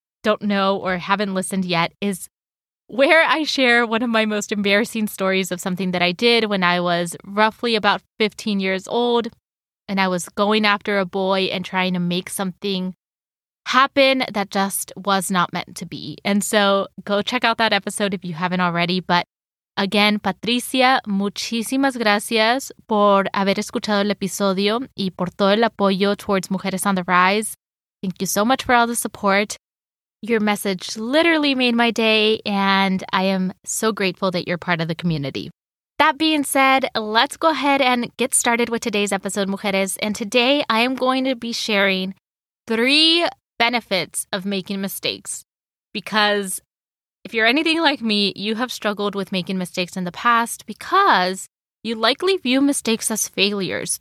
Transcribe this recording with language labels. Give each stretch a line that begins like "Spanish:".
English: don't know or haven't listened yet is where I share one of my most embarrassing stories of something that I did when I was roughly about 15 years old, and I was going after a boy and trying to make something happen that just was not meant to be. And so go check out that episode if you haven't already. But again,
Spanish: Patricia, muchísimas gracias por haber escuchado el episodio y por todo el apoyo
English: towards
Spanish: Mujeres on the Rise.
English: Thank you so much for all the support. Your message literally made my day, and I am so grateful that you're part of the community. That being said, let's go ahead and get started with today's episode, Mujeres. And today I am going to be sharing three benefits of making mistakes, because if you're anything like me, you have struggled with making mistakes in the past because you likely view mistakes as failures.